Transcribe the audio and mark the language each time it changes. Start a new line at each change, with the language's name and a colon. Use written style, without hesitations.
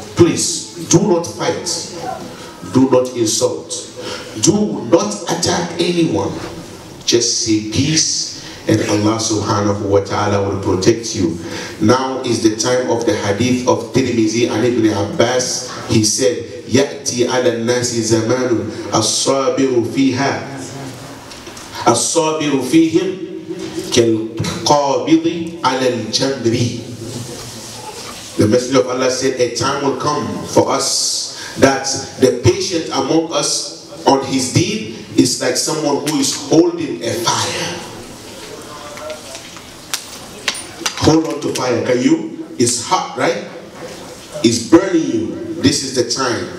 English: Please, do not fight. Do not insult. Do not attack anyone. Just say peace and Allah subhanahu wa ta'ala will protect you. Now is the time of the hadith of Tirmizi and Ibn Abbas. He said,
Arabic: يأتي على الناس زمان الصابر فيها الصابر فيهم كالقابض على الجمر.
English: The Messenger of Allah said, a time will come for us that the patient among us on his deed, it's like someone who is holding a fire. Hold on to fire, can you? It's hot, right? It's burning you. This is the time.